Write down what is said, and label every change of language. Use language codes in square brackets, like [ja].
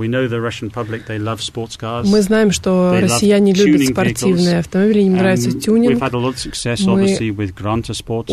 [en] We know the Russian public, they love sports cars. [ru] Мы знаем, что россияне любят спортивные автомобили, им нравится тюнинг. [en] We've had a lot of success, obviously, with Granta Sport.